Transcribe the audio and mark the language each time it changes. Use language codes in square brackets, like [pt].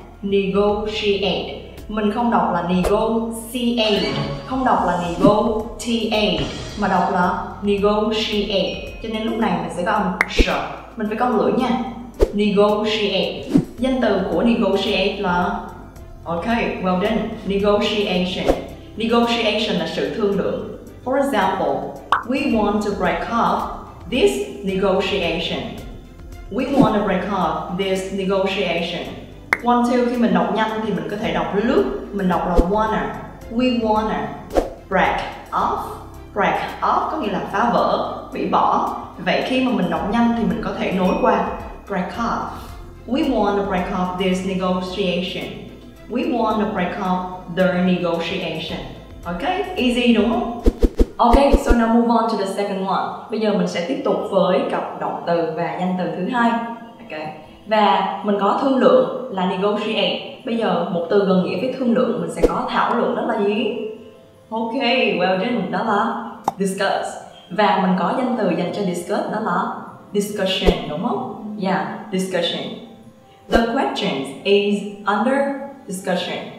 [vi] Negotiate. Mình không đọc là negotiate, không đọc là negotiate, mà đọc là negotiate. Cho nên lúc này mình sẽ có âm sh, mình phải cong lưỡi nha. Negotiate. Danh từ của negotiate là ok, [en] well done. [vi] Negotiation. Negotiation là sự thương lượng. [en] For example, we want to break off this negotiation. We want to break off this negotiation. [vi] Want to, khi mình đọc nhanh thì mình có thể đọc lướt, mình đọc là wanna. [en] We wanna break off. [vi] Break off có nghĩa là phá vỡ, hủy bỏ. Vậy khi mà mình đọc nhanh thì mình có thể nối qua break off. [en] We wanna break off this negotiation. We wanna break off the negotiation. Okay, easy [vi] đúng không? [en] Okay, so now move on to the second one. [vi] Bây giờ mình sẽ tiếp tục với cặp động từ và danh từ thứ hai. Okay. Và mình có thương lượng là negotiate. Bây giờ một từ gần nghĩa với thương lượng mình sẽ có thảo luận, đó là gì? [en] Ok, well done, [vi] đó là discuss. Và mình có danh từ dành cho discuss, đó là discussion, đúng không? [en] Yeah, discussion. The question is under discussion.